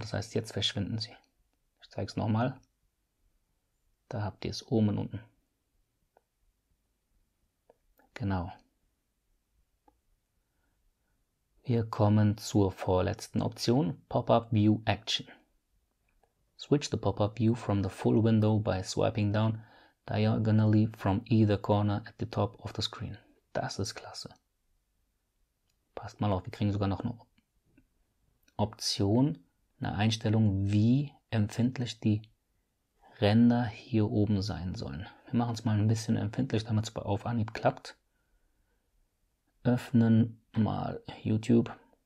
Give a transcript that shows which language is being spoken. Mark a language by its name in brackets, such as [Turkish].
[German] Das heißt, jetzt verschwinden sie. Ich zeige es nochmal. Da habt ihr es oben und unten. Genau. Wir kommen zur vorletzten Option, Pop-up View Action. [English] Switch the pop-up view from the full window by swiping down diagonally from either corner at the top of the screen. [German] Das ist klasse. Passt mal auf, wir kriegen sogar noch eine Option, eine Einstellung, wie empfindlich die Ränder hier oben sein sollen. Wir machen es mal ein bisschen empfindlich, damit es auf Anhieb klappt. Öffnen mal YouTube.